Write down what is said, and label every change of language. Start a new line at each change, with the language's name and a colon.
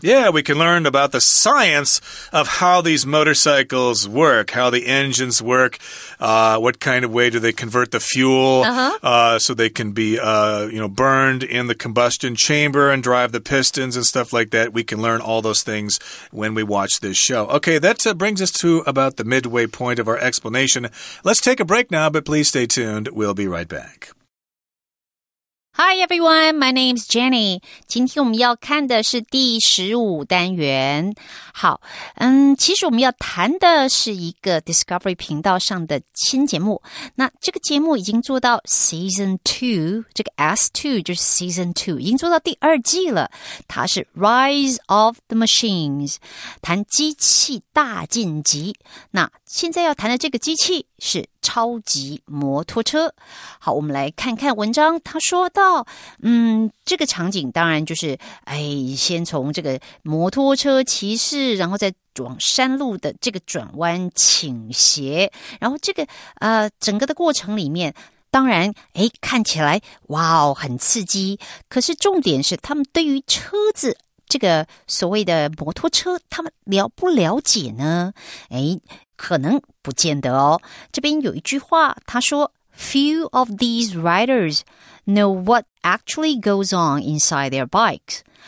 English: Yeah, we can learn about the science of how these motorcycles work, how the engines work, what kind of way do they convert the fuel so they can be burned in the combustion chamber and drive the pistons and stuff like that. We can learn all those things when we watch this show. Okay, that brings us to about the midway point of our explanation. Let's take a break now, but please stay tuned. We'll be right back. Hi everyone, my name's Jenny.
Chinese: 今天我们要看的是第15单元。好，其实我们要谈的是一个 Discovery 频道上的新节目。那这个节目已经做到 Season 2, 这个 S2 就是 Season 2, 已经做到第二季了。它是 Rise of the Machines, 谈机器大进击。那现在要谈的这个机器是超级摩托车。好，我们来看看文章，他说到，这个场景当然就是，先从这个摩托车骑士，然后再往山路的这个转弯倾斜，然后这个整个的过程里面，当然，看起来哇哦，很刺激。可是重点是，他们对于车子这个所谓的摩托车，他们了不了解呢？可能不见得哦。这边有一句话，他说
English: Few of these riders know what actually goes on inside their bikes.